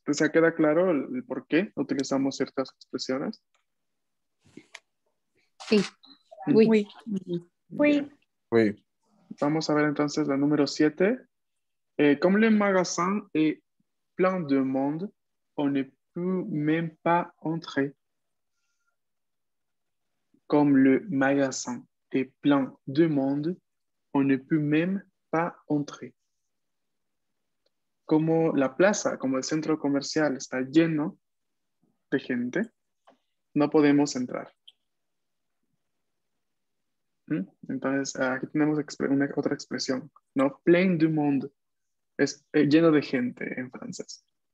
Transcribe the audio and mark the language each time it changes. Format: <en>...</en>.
<es>¿Te se queda claro el por qué utilizamos ciertas expresiones? Sí.</es> <fr>Oui. Oui. Oui. Oui.</fr> <es>Vamos a ver entonces la número 7.</es> <fr>Comme le magasin est plein de monde, on ne peut même pas entrer. Comme le magasin est plein de monde, on ne peut même pas entrer.</fr> <es>Como la plaza, como el centro comercial está lleno de gente, no podemos entrar. Entonces, aquí tenemos otra expresión, ¿no? Plein du monde, es lleno de gente en francés.</es>